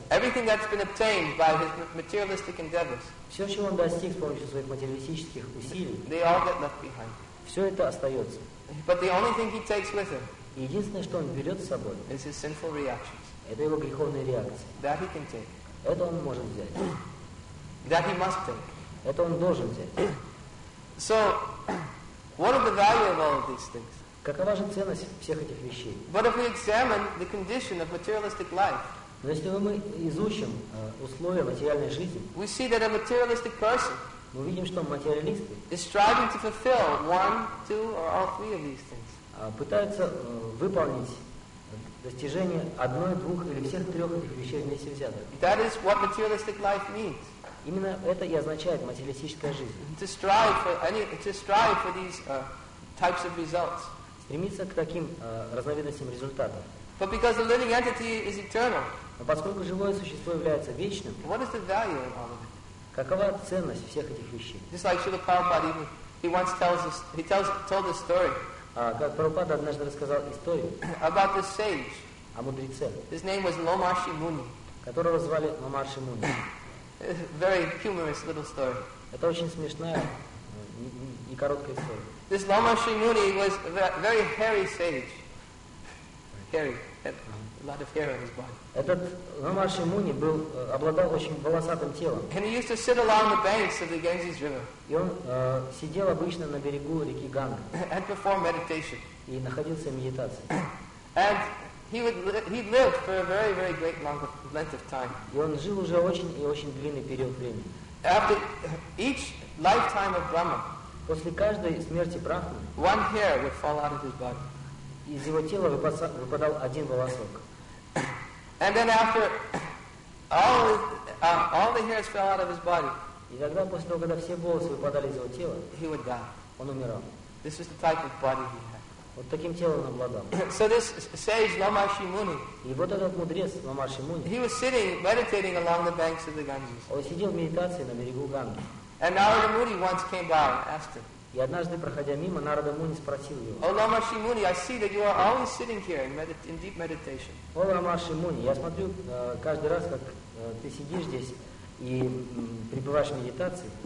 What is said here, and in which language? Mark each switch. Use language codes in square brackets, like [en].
[en] Everything that's been obtained by his materialistic endeavors. [ru] Все, чего он достиг с помощью своих материалистических усилий. [en] They all get left behind. [ru] Все это остается. [en] But the only thing he takes with him. [ru] Единственное, что он берет с собой. [en] Is his sinful reactions. [ru] Это его греховные реакции. [en] That he can take. [ru] Это он может взять. [en] That he must take. [ru] Это он должен взять. [en] So, what are the value of all of these things? [ru] Какова же ценность всех этих вещей? [en] But if we examine the condition of materialistic life, [ru] но если мы изучим условия материальной жизни, [en] we see that a materialistic person, [ru] мы видим, что материалисты, [en] is striving to fulfill one, two, or all three of these things. [ru] Пытаются выполнить Достижение одной, двух или всех трех этих вещей вместе взятых. [en] That is what materialistic life means. [ru] Именно это и означает материалистическая жизнь. [en] To strive for any, to strive for these types of results. [ru] Стремиться к таким разновидностям результатов. [en] But because the living entity is eternal. [ru] Но поскольку живое существо является вечным. [en] What is the value of all of it? [ru] Какова ценность всех этих вещей? [en] Just like Srila Prabhupada, even, he once tells us, he tells told this story. [ru] Как Прабхупада однажды рассказал историю. [en] About this sage. [ru] О мудреце. [en] His name was Ломарши Муни. [ru] Которого звали Ломарши Муни. [en] Very humorous little story. [ru] Это очень смешная и короткая история. [en] This Ломарши Муни was a very hairy sage. Hairy. A lot of hair on his body. [ru] Этот Ломарши Муни был обладал очень волосатым телом. [en] And he used to sit along the banks of the Ganges River. [ru] И он сидел обычно на берегу реки Ганга. [en] And performed meditation. [ru] И находился в медитации. [en] And he lived for a very very great long length of time. [ru] И он жил уже очень и очень длинный период времени. [en] After each lifetime of Brahma. [ru] После каждой смерти Брахмы. [en] One hair would fall out of his body. [ru] Из его тела выпадал один волосок. [en] And then after all the hairs fell out of his body. [ru] И тогда после того, когда все волосы выпадали из его тела, [en] he would die. [ru] Он умирал. [en] This is the type of body he had. [ru] Вот таким телом он обладал. [en] So this sage Ломарши Муни. [ru] И вот этот мудрец Ломарши Муни. [en] He was sitting meditating along the banks of the Ganges. [ru] Он сидел в медитации на берегу Ганги. [en] And Narada Muni once came by and asked him. [ru] И однажды, проходя мимо, Нарада Муни спросил его. [en] О, Ламарши Муни, I see that you are always sitting here in deep meditation. [ru] О, Ламарши Муни, я смотрю каждый раз, как ты сидишь здесь и пребываешь в медитации.